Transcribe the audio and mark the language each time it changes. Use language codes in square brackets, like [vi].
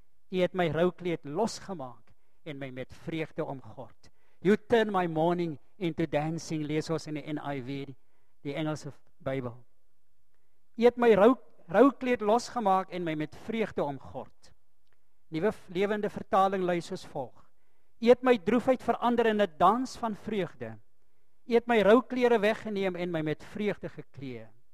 [af] U het my roukleed losgemaak en my met vreugde omgord. [en] You turn my mourning into dancing, [af] lees ons in die NIV, die Engelse Bybel. U het my roukleed losgemaak en my met vreugde omgord. Nuwe Lewende Vertaling lees soos volg. U het my droefheid verander in 'n dans van vreugde. U het my rouklere weggeneem en my met vreugde geklee.